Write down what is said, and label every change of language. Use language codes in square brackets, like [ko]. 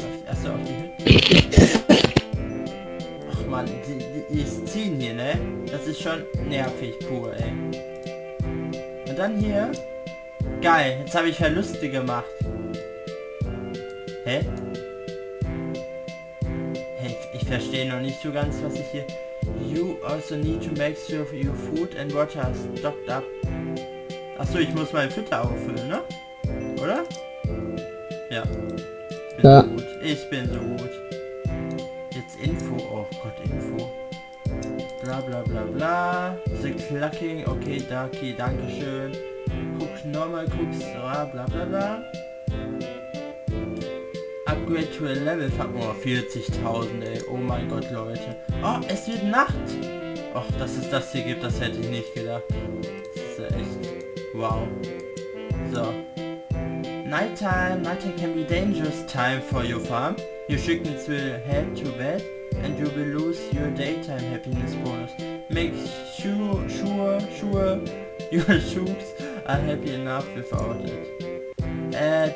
[de] Achso, auf die Hütte. Ach man, die ist ziehen hier, ne? Das ist schon nervig pur, ey. Und dann hier. Geil, jetzt habe ich Verluste gemacht. Hä? Hey, ich verstehe noch nicht so ganz, was ich hier... [en] You also need to make sure your food and water stocked up. [de] Achso, ich muss mein Fütter auffüllen, ne? Oder? Ja. Ja. So gut. Ich bin so gut. Jetzt Info. Oh Gott, Info. Bla bla bla bla. The Clucking. Okay, Ducky, danke schön. Guck nochmal, guck's. Bla bla bla. [en] Upgrade to a level. [de] Oh, 40.000, ey. Oh mein Gott, Leute. Oh, es wird Nacht. Och, dass es das hier gibt, das hätte ich nicht gedacht. Das ist echt... Wow. So. [en] Nighttime can be dangerous time for your farm. Your chickens will head to bed and you will lose your daytime happiness bonus. Make sure your chooks are happy enough without it.